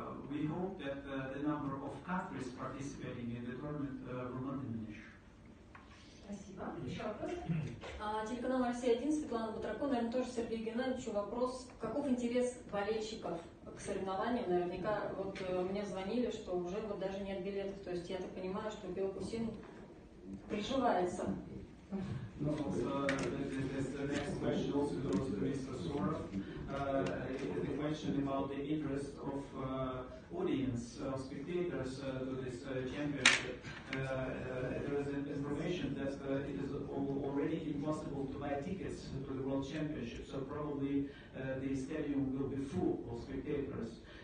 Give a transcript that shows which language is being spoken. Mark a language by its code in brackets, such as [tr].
[en] We hope that the number of countries participating in the tournament will not diminish. [ru] Спасибо. Еще вопрос. Телеканал «Россия-1», Светлана Батрако. Наверное, тоже Сергею Геннадьевичу вопрос. Каков интерес болельщиков к соревнованиям? Наверняка вот мне звонили, что уже вот даже нет билетов. То есть я так понимаю, что Белокусин приживается. [en] No, so the next question also goes to Mr. Soros. The question about the interest of audience, of spectators to this championship. There is information that it is already impossible to buy tickets to the World Championship, so probably the stadium will be full of spectators.